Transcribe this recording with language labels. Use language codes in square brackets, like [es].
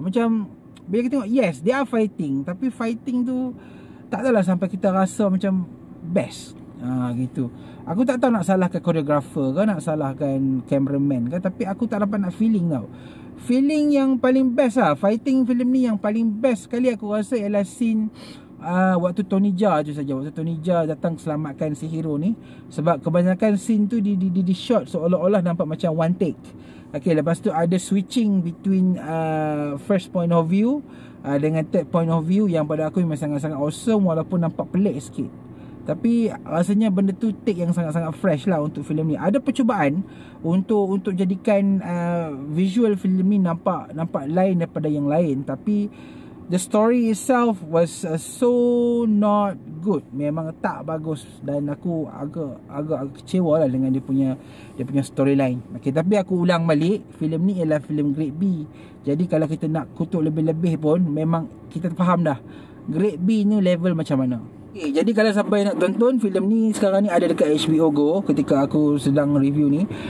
[ms] Macam bila kita tengok, [en] yes, they are fighting. [ms] Tapi fighting tu tak adalah sampai kita rasa macam best. Gitu. Aku tak tahu nak salahkan choreographer ke, nak salahkan cameraman ke. Tapi aku tak dapat nak feeling tau. Feeling yang paling best lah, fighting filem ni yang paling best sekali aku rasa ialah scene waktu Tony Jaa tu saja. Waktu Tony Jaa datang selamatkan si hero ni. Sebab kebanyakan scene tu di shot seolah-olah nampak macam one take. Okay, lepas tu ada [en] switching between first point of view [ms] dengan [en] third point of view, [ms] yang pada aku memang sangat-sangat awesome walaupun nampak pelik sikit. Tapi rasanya benda tu take yang sangat-sangat fresh lah untuk filem ni. Ada percubaan untuk jadikan visual filem ni nampak lain daripada yang lain. [en] Tapi the story itself was so not good. [ms] Memang tak bagus dan aku agak kecewa lah dengan dia punya storyline. Okay, tapi aku ulang balik, filem ni ialah filem grade B. Jadi kalau kita nak kutuk lebih-lebih pun, memang kita faham dah grade B ni level macam mana. Okay, jadi kalau siapa yang nak tonton filem ni sekarang ni ada dekat HBO Go ketika aku sedang review ni.